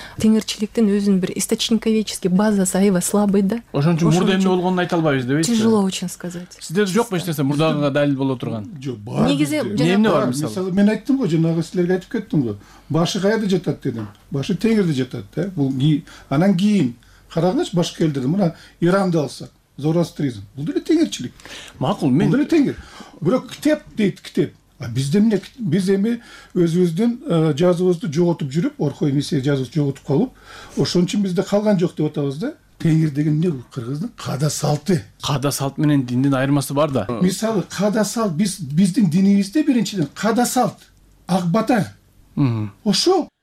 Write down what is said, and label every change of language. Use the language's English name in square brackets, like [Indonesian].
[Kyrgyz] Теңирчиликтин өзүнүн бир источниковеческий базасы аябай [Russian] слабый [Kyrgyz] да. Ошон үчүн мурда эмне болгонун айта албайбыз деп эчи. [Russian] Тяжело очень сказать. [Kyrgyz] Сиздерде жокпу эч нерсе мурдагыга далил боло турган? Жок, бар. Негизи эмне бар мисалы? Мен айттым го, жанагы силерге айтып кеттим го. Башы каяда жатат дедим. Башы теңирде жатат да. Бул анан кийин карагыңыз башка элдерди. Мына Иранды алсак, зороастризм. Бул деле теңирчилик. Макул, мен бул деле теңир. Бирок китеп дейт, китеп. А бизде эмне? Биз эми өзүбүздүн жазуубузду жоготуп жүрүп, орхой эмесе жазуубузду жоготуп калып, ошон үчүн бизде калган жок деп атабыз да. Теңир деген эмне бул? Кыргыздын каада салты. Каада салт менен диндин айырмасы бар да. Мисалы, каада салт биздин динибизде биринчиден каада салт ак бата. Ошо